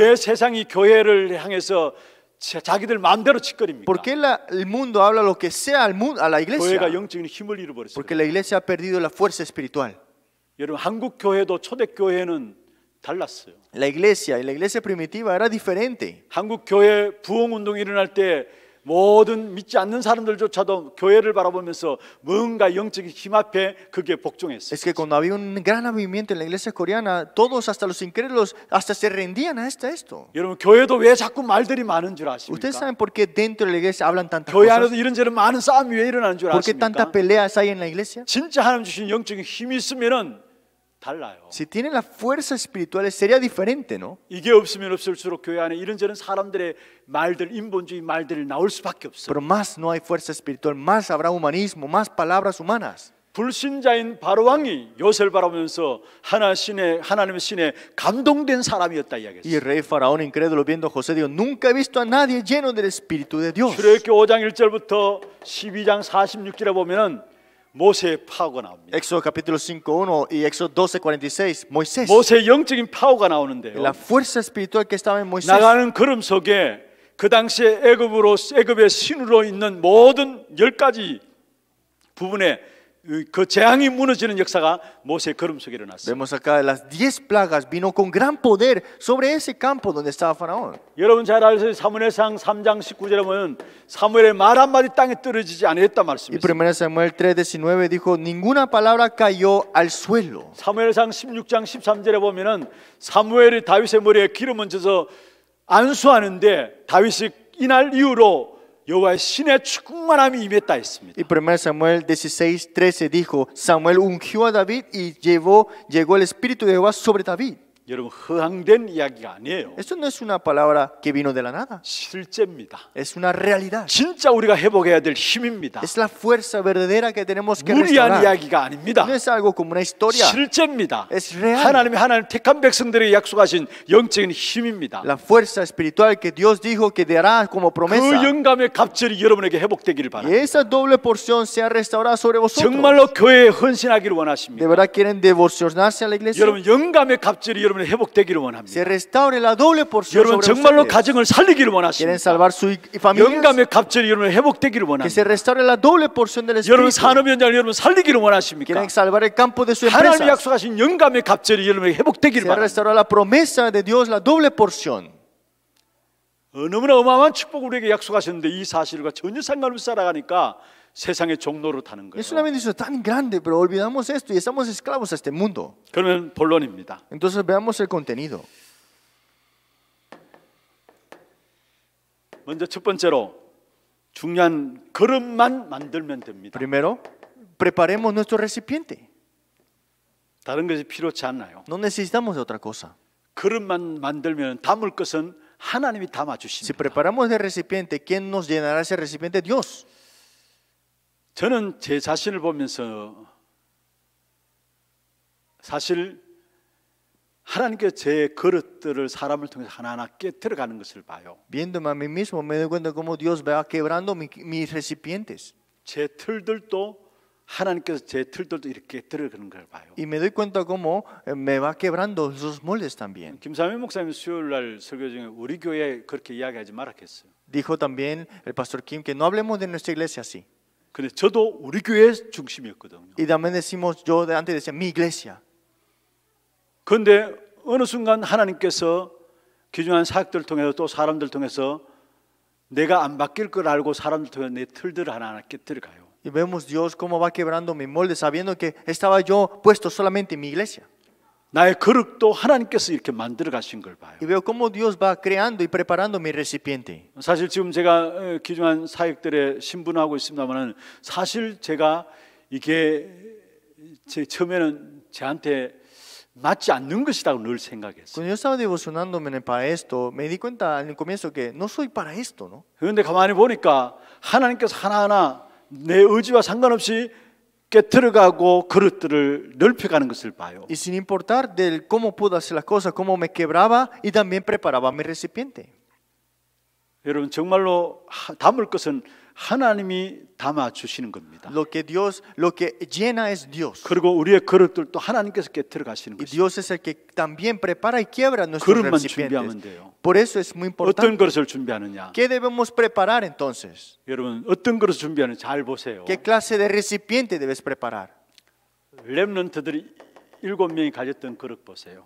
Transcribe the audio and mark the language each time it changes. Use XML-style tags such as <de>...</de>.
<ko>왜 세상이 교회를 향해서 자기들 마음대로 짓거립니까?</ko> <es>Porque el mundo habla lo que sea al mundo, a la iglesia.</es> <ko>교회가 영적인 힘을 잃어버렸어요.</ko> <es>Porque la iglesia ha perdido la fuerza espiritual.</es> <ko>여러분 한국 교회도 초대 교회는 달랐어요.</ko> <es>La iglesia, la iglesia primitiva era diferente.</es> <ko>한국 교회 부흥 운동 일어날 때 모든 믿지 않는 사람들조차도 교회를 바라보면서 뭔가 영적인 힘 앞에 그게 복종했어요.</ko> <es>Es que cuando había un gran avivamiento en la iglesia coreana, todos hasta los incrédulos hasta se rendían hasta esto.</es> <ko>여러분 교회도 왜 자꾸 말들이 많은 줄 아십니까?</ko> <es>Ustedes saben por qué dentro de la iglesia hablan tantas cosas.</es> <ko>교회 안에서 이런저런 많은 싸움이 왜 일어나는 줄 아십니까?</ko> <es>¿Por qué tanta pelea hay en la iglesia?</es> <ko>진짜 하나님 주신 영적인 힘이 있으면은 달라요.</ko> <es>Si tiene la fuerza espiritual sería diferente, ¿no?</es> <ko>이게 없으면 없을수록 교회 안에 이런저런 사람들의 말들, 인본주의 말들이 나올 수밖에 없어.</ko> <es>Pero más no hay fuerza espiritual, más habrá humanismo, más palabras humanas.</es> <ko>불신자인 바로 왕이 요셉을 바라보면서 하나님의 신에 감동된 사람이었다 이야기했어.</ko> <es>Y el rey faraón incrédulo viendo a José dijo, nunca he visto a nadie lleno del espíritu de Dios.</es> <ko>출애굽기 5장 1절부터 12장 46절에 보면은 모세 파워가 나옵니다.</ko> <es>Éxodo capítulo 5:1 y Éxodo 12:46 Moisés.</es> <ko>모세 영적인 파워가 나오는데요.</ko> <es>La fuerza espiritual que estaba en Moisés.</es> <ko>나가는 걸음 속에 그 당시에 애굽으로 애굽의 신으로 있는 모든 열 가지 부분에 그 재앙이 무너지는 역사가 모세 걸음 속에 일어났어요.</ko> <es>Vemos acá las 10 plagas vino con gran poder sobre ese campo donde estaba faraón.</es> <ko>여러분 잘 아세요. 사무엘상 3장 19절에 보면 사무엘의 말 한 마디 땅에 떨어지지 아니했다 말씀이.</ko> <es>Y primero Samuel 3:19 dijo ninguna palabra cayó al suelo.</es> <ko>사무엘상 16장 13절에 보면은 사무엘이 다윗의 머리에 기름 얹어서 안수하는데 다윗이 이날 이후로 여호와의 신의 충만함이 임했다 했습니다.</ko> <es>Y 1 Samuel 16:13 dijo, Samuel ungió a David y llegó el espíritu de Jehová sobre David.</es> <ko>여러분 허황된 이야기가 아니에요.</ko> <es>Esto no es una palabra que vino de la nada.</es> <ko>실제입니다.</ko> <es>Es una realidad.</es> <ko>진짜 우리가 회복해야 될 힘입니다.</ko> <es>Es la fuerza verdadera que tenemos que restaurar.</es> <ko>무리한 이야기가 아닙니다.</ko> <es>No es algo como una historia.</es> <ko>실제입니다.</ko> <es>Es real.</es> <ko>하나님이 하나님 택한 백성들에게 약속하신 영적인 힘입니다.</ko> <es>La fuerza espiritual que Dios dijo que dará como promesa.</es> <ko>그 영감의 갑절이 여러분에게 회복되기를 바랍니다.</ko> <es>Esa doble porción sea restaurada sobre vosotros.</es> <ko>정말로 교회에 헌신하기를 원하십니다.</ko> <es>De verdad quieren devocionarse a la iglesia.</es> <ko>여러분 영감의 갑절이 여러분 회복되기를 원합니다.</ko> <es>Se restaure la doble porción.</es> <ko>여러분 정말로 가정을 살리기를 원하십니다.</ko> <es>Quieren salvar su familia.</es> <ko>영감의 갑절이 여러분 회복되기를 원합니다.</ko> <es>Se restaure la doble porción del espíritu.</es> <ko>여러분 산업 현장을 여러분 살리기를 원하십니까?</ko> <es>Quieren salvar el campo de su empresa.</es> <ko>하나님이 약속하신 영감의 갑절이 여러분 회복되기를 원합니다.</ko> <es>Se restaure la promesa de Dios la doble porción.</es> <ko>너무나 어마어마한 축복을 우리에게 약속하셨는데 이 사실과 전혀 상관없이 살아가니까 세상의 종노로 타는 거예요.</ko> <es>Es una bendición tan grande, pero olvidamos esto y estamos esclavos a este mundo.</es> <ko>그러면 본론입니다.</ko> <es>Entonces veamos el contenido.</es> <ko>먼저 첫 번째로 중요한 걸음만 만들면 됩니다.</ko> <es>Primero, preparemos nuestro recipiente.</es> <ko>다른 것이 필요치 않나요?</ko> <es>No necesitamos otra cosa.</es> <ko>걸음만 만들면 담을 것은 하나님이 담아 주십니다.</ko> <es>Si preparamos el recipiente, ¿quién nos llenará ese recipiente? Dios.</es> <ko>저는 제 자신을 보면서 사실 하나님께서 제 그릇들을 사람을 통해 하나하나 깨뜨려 가는 것을 봐요.</ko> <es>Viéndome a mí mismo me doy cuenta cómo Dios va quebrando mis recipientes.</es> <ko>제 틀들도 하나님께서 제 틀들도 이렇게 깨뜨려 가는 걸 봐요.</ko> <es>Y me doy cuenta cómo me va quebrando esos moldes también.</es> <ko>김삼일 목사님 수요일 날 설교 중에 우리 교회 그렇게 이야기하지 말았겠어요.</ko> <es>Dijo también el pastor Kim que no hablemos de nuestra iglesia así.</es> <ko>근데 저도 우리 교회 중심이었거든요.</ko> <es>Y también decimos yo antes decía mi iglesia.</es> <ko>근데 어느 순간 하나님께서 귀중한 사역들 통해서 또 사람들 통해서 내가 안 바뀔 걸 알고 사람들 통해서 내 틀들을 하나하나 깨뜨려가요.</ko> <es>Y vemos Dios cómo va quebrando mi molde sabiendo que estaba yo puesto solamente en mi iglesia.</es> <ko>나의 그릇도 하나님께서 이렇게 만들어 가신 걸 봐요.</ko> <es>Y veo cómo Dios va creando y preparando mi recipiente.</es> <ko>사실 지금 제가 귀중한 사역들에 신분하고 있습니다만은 사실 제가 이게 제 처음에는 제한테 맞지 않는 것이라고 늘 생각했어요.</ko> <es>Cuando yo estaba devocionándome para esto, me di cuenta al comienzo que no soy para esto, ¿no?</es> <ko>그런데 가만히 보니까 하나님께서 하나하나 내 의지와 상관없이 깨트려가고 그릇들을 넓혀가는 것을 봐요.</ko> <es>Y sin importar del cómo pude hacer las cosas, cómo me quebraba y también preparaba mi recipiente.</es> <ko>여러분 정말로 담을 것은 하나님이 담아 주시는 겁니다.</ko> <es>Lo que Dios, lo que llena es Dios.</es> <ko>그리고 우리의 그릇들 또 하나님께서 깨트려가시는 것이.</ko> <es>Dios es el que también prepara y quiebra nuestros recipientes.</es> <ko>그릇만 준비하면 돼요.</ko> <es>Por eso es muy importante.</es> <ko>어떤 그릇을 준비하느냐?</ko> <es>¿Qué debemos preparar entonces?</es> <ko>여러분 어떤 그릇을 준비하느냐 잘 보세요.</ko> <es>¿Qué clase de recipiente debes preparar?</es> <ko>렘넌트들이 일곱 명이 가졌던 그릇 보세요.</ko>